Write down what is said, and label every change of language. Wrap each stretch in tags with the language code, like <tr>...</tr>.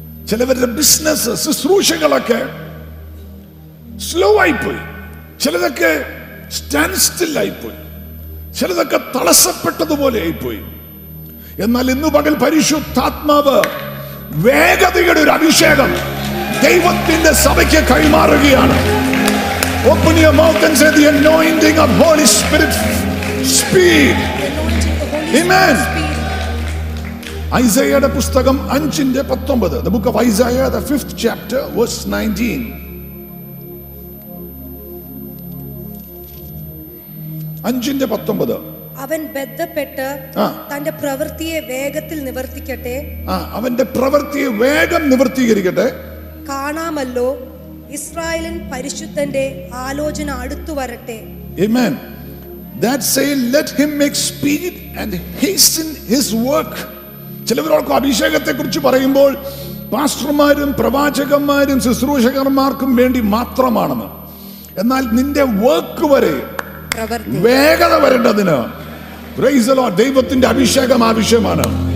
<ml>ചിലവരുടെ business ശുശ്രൂഷകളൊക്കെ slow ആയിപ്പോയി, ചിലതൊക്കെ സ്റ്റാൻഡ് സ്റ്റിൽ ആയിപ്പോയി, ചിലതൊക്കെ തടസ്സപ്പെട്ടതുപോലെ ആയിപ്പോയി. എന്നാൽ ഇന്ന് പകൽ പരിശുദ്ധാത്മാവ് വേഗതയുടെ ഒരു അഭിഷേകം ദൈവത്തിന്റെ സഭയ്ക്ക് കൈമാറുകയാണ്.</ml> <en>Open your mouth and say the anointing of Holy Spirit speed. Amen. Isaiah's book 5:19, the book of Isaiah, the 5th chapter, verse 19. 5:19.</en> <ml>അവൻ ബദ്ധപ്പെട്ട് തന്റെ പ്രവൃത്തിയെ വേഗത്തിൽ നിവർത്തിക്കട്ടെ. അവന്റെ പ്രവൃത്തിയെ വേഗം നിവർത്തീകരിക്കട്ടെ. കാണാമല്ലോ ഇസ്രായേലിൻ പരിശുദ്ധന്റെ ആലോചന അടുത്തു വരട്ടെ.</ml> <en>Amen. That say, let him make speed and hasten his work.</en> <ml>ചിലവരോടൊക്കെ അഭിഷേകത്തെ കുറിച്ച് പറയുമ്പോൾ പാസ്റ്റർമാരും പ്രവാചകന്മാരും ശുശ്രൂഷകന്മാർക്കും വേണ്ടി മാത്രമാണെന്ന്. എന്നാൽ നിന്റെ വർക്ക് വരെ വേഗത വരേണ്ടതിന്</ml> <en>praise the Lord</en> <ml>ദൈവത്തിന്റെ അഭിഷേകം ആവശ്യമാണ്.</ml>